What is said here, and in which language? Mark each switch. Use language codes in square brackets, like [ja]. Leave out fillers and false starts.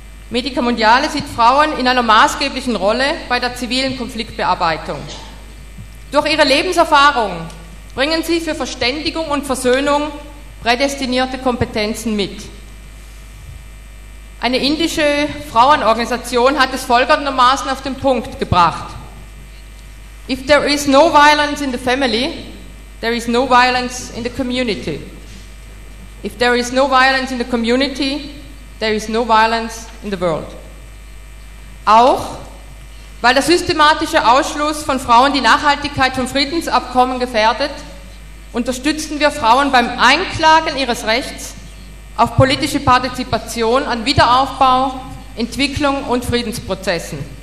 [de] Medica Mundiale sieht Frauen in einer maßgeblichen Rolle bei der zivilen Konfliktbearbeitung. Durch ihre Lebenserfahrung bringen sie für Verständigung und Versöhnung prädestinierte Kompetenzen mit. Eine indische Frauenorganisation hat es folgendermaßen auf den Punkt gebracht. [en] If there is no violence in the family, there is no violence in the community. If there is no violence in the community, there is no violence in the world. [de] Auch weil der systematische Ausschluss von Frauen die Nachhaltigkeit von Friedensabkommen gefährdet, unterstützen wir Frauen beim Einklagen ihres Rechts auf politische Partizipation an Wiederaufbau, Entwicklung und Friedensprozessen.